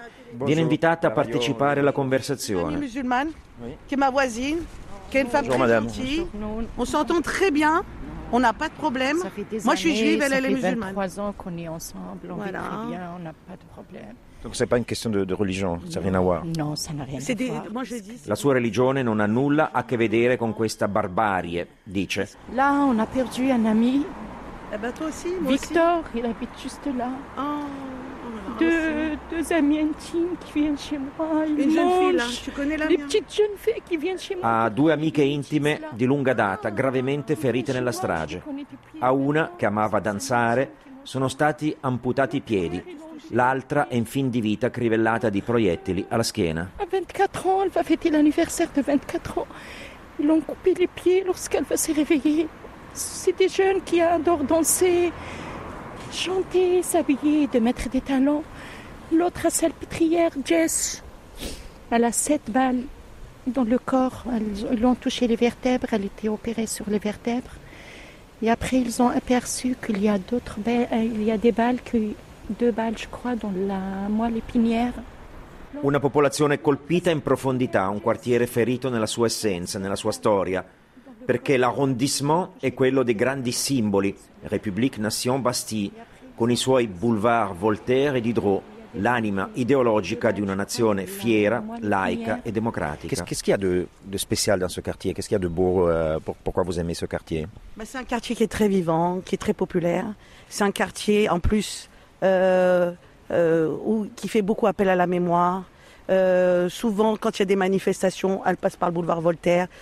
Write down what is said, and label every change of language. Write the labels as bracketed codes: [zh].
[it] Viene invitata a partecipare alla conversazione. [fr] Une musulmane, qui est ma voisine, qui est une femme très gentille. On s'entend très bien, on n'a pas de problème. Moi, je suis juive, elle est musulmane. Ça fait 23 ans qu'on est ensemble, on vit très bien, on n'a pas de problème. Donc, c'est pas une question de religion, non, ça n'a rien à voir. Non, ça n'a rien c'est à voir. Moi, je [it] dis, la sua religione non ha nulla a che vedere con questa barbarie, dice. [fr] Là, on a perdu un ami. Eh ben, toi aussi, moi Victor, aussi. Il habite juste là. Oh, oh, deux amis intimes qui viennent chez moi. Une jeune fille, là. Tu connais la mia? Des petites jeunes filles qui viennent chez moi. [it] Ha due amiche intime di lunga data, gravemente ferite nella strage. A una, che amava danzare, sono stati amputati i piedi. L'altra è in fin di vita, crivellata di proiettili alla schiena. [fr] A 24 ans, elle va fêter l'anniversaire de 24 ans. Ils l'ont coupé les pieds lorsqu'elle va se réveiller. C'est des jeunes qui adorent danser, chanter, s'habiller, de mettre des talons. L'autre, la salpêtrière, Jess, elle a 7 balles dans le corps. Ils l'ont touché les vertèbres, elle était opérée sur les vertèbres. Et après, ils ont aperçu qu'il y a d'autres balles, il y a des balles que... Due balle, je crois, dans la moelle épinière. [it] Una popolazione colpita in profondità, un quartiere ferito nella sua essenza, nella sua storia, perché l'arrondissement è quello dei grandi simboli, République, Nation, Bastille, con i suoi boulevards Voltaire e Diderot, l'anima ideologica di una nazione fiera, laica e democratica. [fr] Qu'est-ce qu'il y a de spécial dans ce quartier? Qu'est-ce qu'il y a de beau? Pourquoi vous aimez ce quartier? Mais c'est un quartier qui est très vivant, qui est très populaire. C'est un quartier, en plus... qui fait beaucoup appel à la mémoire. Souvent, quand il y a des manifestations, elle passe par le boulevard Voltaire.